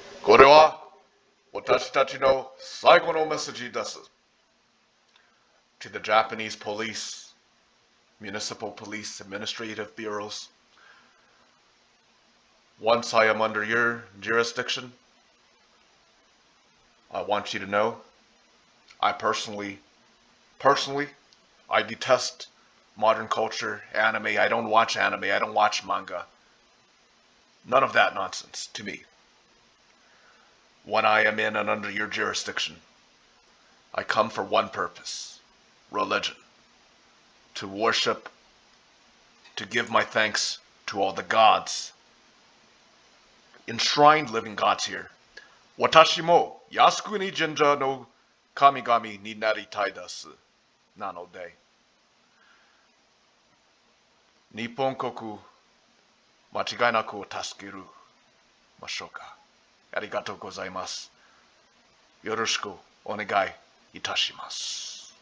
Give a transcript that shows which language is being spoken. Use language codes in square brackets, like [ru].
[ja] これは私たちの最後のメッセージです。 [en] To the Japanese police, municipal police, administrative bureaus, once I am under your jurisdiction, I want you to know, I personally, I detest modern culture, anime, I don't watch anime, I don't watch manga. None of that nonsense to me. When I am in and under your jurisdiction, I come for one purpose, religion. To worship, to give my thanks to all the gods, enshrined living gods here. [ja] 私も靖国神社の神々になりたいです。なので、日本国間違いなくを助けるましょうか。ありがとうございます。よろしくお願いいたします。